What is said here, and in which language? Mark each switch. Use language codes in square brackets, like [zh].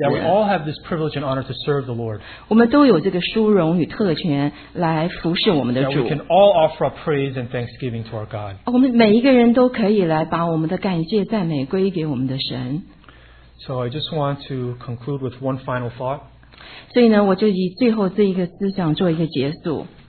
[en] That we all have this privilege and honor to serve the Lord. [zh] 我们都有这个殊荣与特权来服侍我们的主。 [en] That we can all offer up praise and thanksgiving to our God. [zh] 我们每一个人都可以来把我们的感谢赞美归给我们的神。 [en] So I just want to conclude with one final thought. [zh] 所以呢，我就以最后这一个思想做一个结束。